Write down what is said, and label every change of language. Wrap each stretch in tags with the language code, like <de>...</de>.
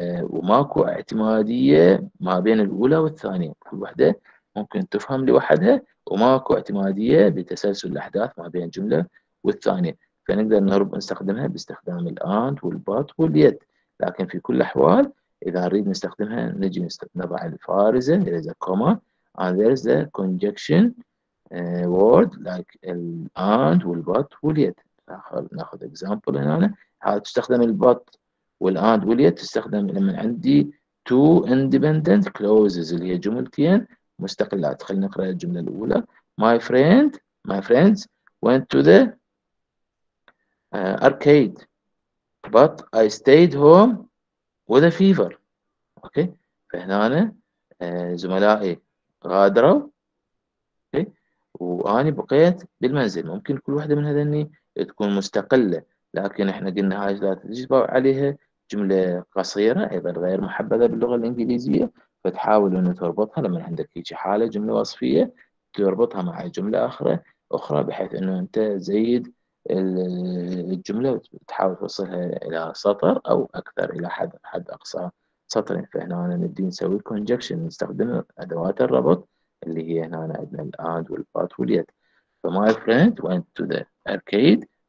<ar>وماكو اعتمادية ما بين الأولى والثانية، كل واحدة ممكن تفهم لوحدها وماكو اعتمادية بتسلسل الأحداث ما بين جملة والثانية، فنقدر نهرب نستخدمها باستخدام الأنت والبات واليد، لكن في كل الأحوال إذا نريد نستخدمها نجي نضع الفارزة</ar> <en>there is a comma and there is a conjunction word like</en> <ar>الأنت والبات واليد. نأخذ example هنا، هذا تستخدم البات والأنت واليد تستخدم لما عندي</ar> <en>two independent clauses</en> <ar>اللي هي جملتين مستقلات. خلينا نقرأ الجملة الأولى.</ar> <en>My friends went to the arcade, but I stayed home with a fever.</en> <ar>Okay. فهنا أنا زملائي غادروا. Okay. وأني بقيت بالمنزل. ممكن كل واحدة من هذني تكون مستقلة، لكن إحنا قلنا هاي لا تجب عليها جملة قصيرة أيضا غير محببة باللغة الإنجليزية. فتحاول أن تربطها لما عندك هيك حالة جملة وصفية تربطها مع جملة أخرى بحيث أنه أنت زيد الجملة وتحاول توصلها إلى سطر أو أكثر إلى حد أقصى سطرين. فهنا أنا نبدي نسوي conjunction، نستخدم أدوات الربط اللي هي هنا عندنا الأند والبات واليد.</ar> <en>So my friend went to the arcade.</en>